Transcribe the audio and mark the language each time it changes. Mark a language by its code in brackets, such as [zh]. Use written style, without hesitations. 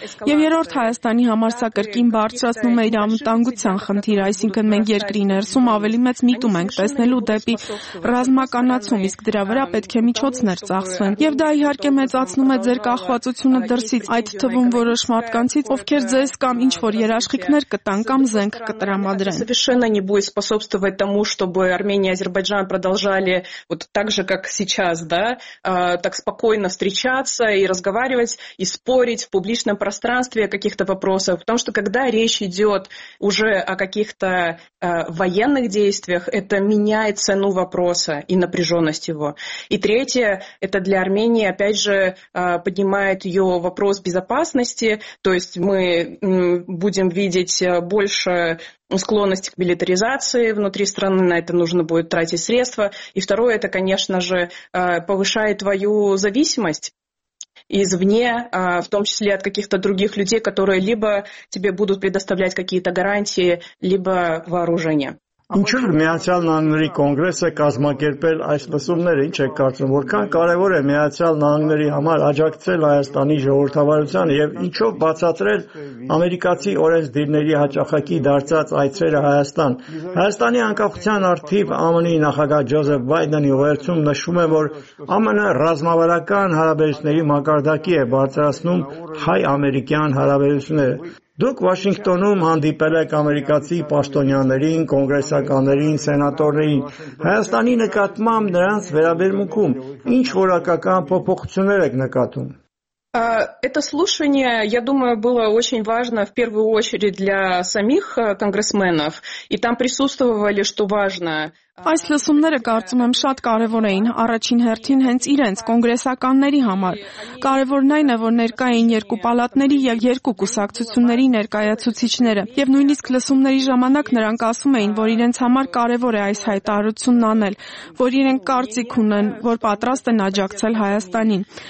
[hy] Եվ երրորդ, Հայաստանի համար սա կրկին բարձրացնում է իր անվտանգության խնդիրը, այսինքն մենք երկրի ներսում ավելի մեծ միտում ենք տեսնելու դեպի ռազմականացում, իսկ դրա վրա պետք է միջոցներ ծախսվեն։ Եվ դա իհարկե մեծացնում է ձեր կախվածությունը դրսից, այդ թվում որոշ մարդկանցից, ովքեր ձեզ կամ ինչ-որ երաշխիքներ կտան կամ զենք կտրամադրեն։ [ru] Совершенно не будет способствовать тому, чтобы Армения и Азербайджан продолжали вот так же, как сейчас, да, так спокойно встречаться и разговаривать и спорить в публичном пространстве о каких-то вопросах, потому что когда речь идёт уже о каких-то военных действиях, это меняет цену вопроса и напряженность его. И третье, это для Армении, опять же, поднимает ее вопрос безопасности, то есть мы будем видеть больше склонности к милитаризации внутри страны, на это нужно будет тратить средства. И второе, это, конечно же, повышает твою зависимость извне, в том числе от каких-то других людей, которые либо тебе будут предоставлять какие-то гарантии, либо вооружение. [hy] Ինչու՞ Միացյալ Նահանգների կոնգրեսը կազմակերպել այս լսումները, ինչ է կարծում, որքան կարևոր է Միացյալ Նահանգների համար աջակցել Հայաստանի ժողովրդավարության և ինչով բացատրել ամերիկացի օրենսդիրների հաճախակի դարձած այցերը Հայաստան։ Հայաստանի անկախության արթիվ ԱՄՆ-ի նախագահ Ջոզեֆ Բայդենի ուղերձում նշվում է, որ ԱՄՆ ռազմավարական հարաբերությունների մակարդակի է բարձրացնում հայ-ամերիկյան հարաբերությունները։ Դուք Վաշինգտոնում հանդիպել եք ամերիկացի պաշտոնյաներին, կոնգրեսականներին, սենատորներին, Հայաստանի նկատմամբ նրանց վերաբերմունքում ինչ որակական փոփոխություններ եք նկատում։ [ru] Это слушание, я думаю, было очень важно в первую очередь для самих конгрессменов, и там присутствовали, что важно. [hy] Այս լսումները, կարծում եմ, շատ կարևոր էին առաջին հերթին հենց իրենց կոնգրեսականների համար։ Կարևորն այն է, որ ներկա էին երկու պալատների եւ երկու կուսակցությունների ներկայացուցիչները, եւ նույնիսկ լսումների ժամանակ նրանք ասում էին, որ իրենց համար կարևոր է այս հայտարարությունն անել, որ իրենք կարծիք ունեն, որ պատրաստ են աջակցել Հայաստանին։